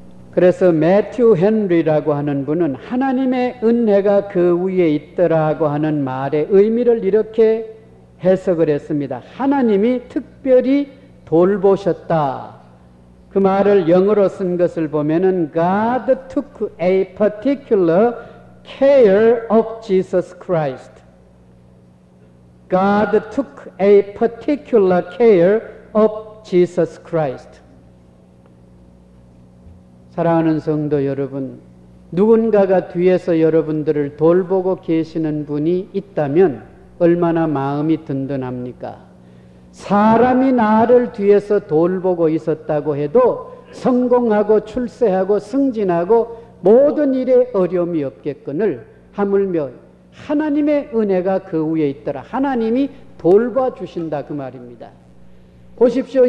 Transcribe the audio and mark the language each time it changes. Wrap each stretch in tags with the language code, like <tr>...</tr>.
<ko>그래서 매튜 헨리라고 하는 분은 하나님의 은혜가 그 위에 있더라고 하는 말의 의미를 이렇게 해석을 했습니다. 하나님이 특별히 돌보셨다. 그 말을 영어로 쓴 것을 보면은</ko> <en>God took a particular care of Jesus Christ. God took a particular care of Jesus Christ.</en> <ko>사랑하는 성도 여러분, 누군가가 뒤에서 여러분들을 돌보고 계시는 분이 있다면 얼마나 마음이 든든합니까? 사람이 나를 뒤에서 돌보고 있었다고 해도 성공하고 출세하고 승진하고 모든 일에 어려움이 없겠거늘 하물며 하나님의 은혜가 그 위에 있더라, 하나님이 돌봐주신다, 그 말입니다. 보십시오.</ko>